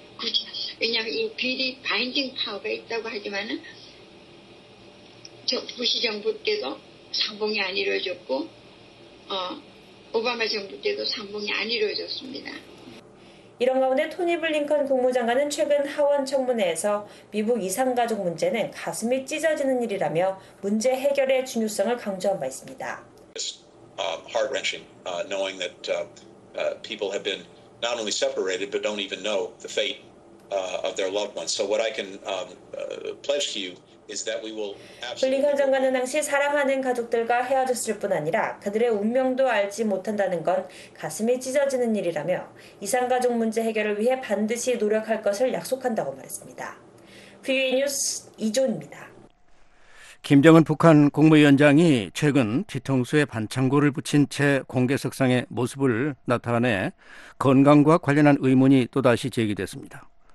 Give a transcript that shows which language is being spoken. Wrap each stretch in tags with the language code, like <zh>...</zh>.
<ko>굳이 왜냐하면 이 비리 바인딩 파워가 있다고 하지만은 부시 정부 때도 상봉이 안 이루어졌고 오바마 정부 때도 상봉이 안 이루어졌습니다. 이런 가운데 토니 블링컨 국무장관은 최근 하원 청문회에서 미북 이산가족 문제는 가슴이 찢어지는 일이라며 문제 해결의 중요성을 강조한 바 있습니다.</ko> <en>Heart-wrenching, knowing that people have been not only separated but don't even know the fate of their loved ones. So what I can pledge to you is that we will absolutely.</en> <ko>블링컨 장관은 당시 사랑하는 가족들과 헤어졌을 뿐 아니라 그들의 운명도 알지 못한다는 건 가슴이 찢어지는 일이라며 이산가족 문제 해결을 위해 반드시 노력할 것을 약속한다고 말했습니다. VOA 뉴스 이존입니다. 김정은 북한 국무위원장이 최근 뒤통수에 반창고를 붙인 채 공개석상의 모습을 나타내 건강과 관련한 의문이 또다시 제기됐습니다.</ko>